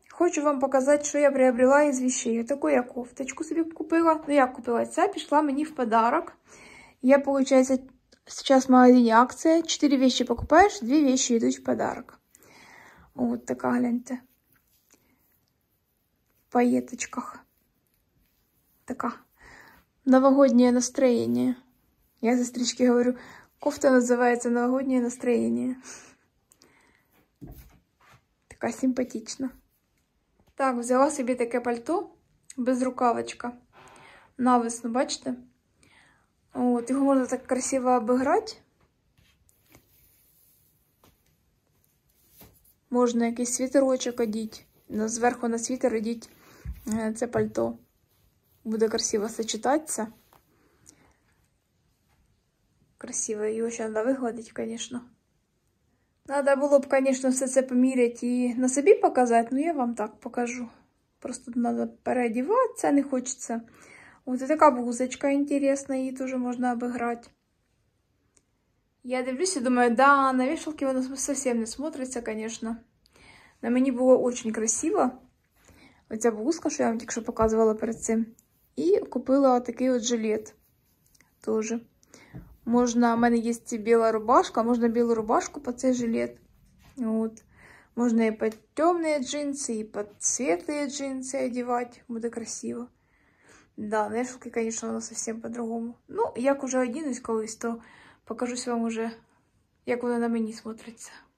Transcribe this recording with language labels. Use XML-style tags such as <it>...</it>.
<ru>Хочу вам показать, что я приобрела из вещей. Такую я кофточку себе купила.</ru> <uk>Ну, я купила ця, пішла мені в подарок.</uk> <ru>Я, получается, сейчас в магазине акция. 4 вещи покупаешь, 2 вещи идут в подарок. Вот такая, гляньте. В пайеточках. Така. Новогоднее настроение. Я сестричке говорю, кофта называется новогоднее настроение.</ru> <uk>Така симпатична. Так, взяла собі таке пальто, без рукавочка, навесну, бачите? От, його можна так красиво обіграти. Можна якийсь світерочок одіти, зверху на світер одіти це пальто. Буде красиво сочетатися. Красиво, його ще треба вигладити, звісно.</uk> <ru>Надо было бы, конечно, все это померить и на себе показать, но я вам так покажу. Просто надо переодеваться, не хочется. Вот такая блузочка интересная, ее тоже можно обыграть. Я дивлюсь и думаю, да, на вешалке она совсем не смотрится, конечно. На мне было очень красиво. Вот эта блузка, что я вам только что показывала перед этим. И купила вот такой вот жилет тоже.</ru> <uk>Можна, у мене є біла рубашка, можна білу рубашку під цей жилет. От. Можна і під темні джинси, і під світлі джинси одягати. Буде красиво. Да, вешалки, звісно, воно зовсім по-другому. Ну, як уже одінусь колись, то покажусь вам уже, як воно на мені смотриться.</uk>